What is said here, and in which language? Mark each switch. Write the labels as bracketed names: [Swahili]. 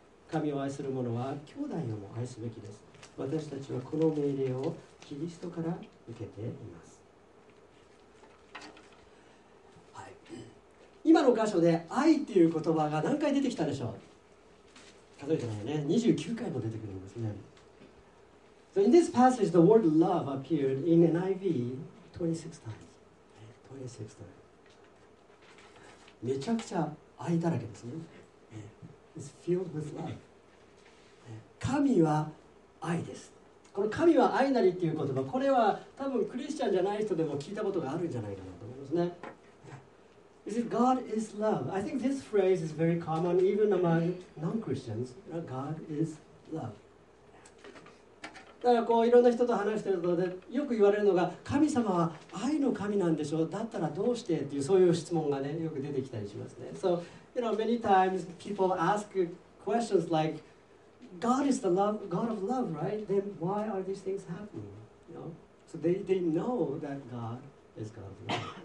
[Japanese] 神を愛する者は兄弟をも愛すべきです。私たちはこの命令をキリストから受けています。はい、今の箇所で愛っていう言葉が何回出てきたでしょう。数えてないね。 29回も出てくるんですね。 [English] So in this passage, the word love appeared in NIV 26 times. 26 times. [Japanese] めちゃくちゃ愛だらけですね。 [English] It's filled with love. [Japanese] 神は愛です。この神は愛なりっていう言葉、これは多分クリスチャンじゃない人でも聞いたことがあるんじゃないかなと思いますね。 [English] Is it God is love? I think this phrase is very common even among non-Christians. God is love. [Japanese] だからこういろんな人と話してるとでよく言われるのが、神様は愛の神なんでしょう、だったらどうしてっていう、そういう質問がねよく出てきたりしますね。 [English] So, you know, many times people ask questions like, God is the love, God of love, right? Then why are these things happening? You know? So they know that God is God of love.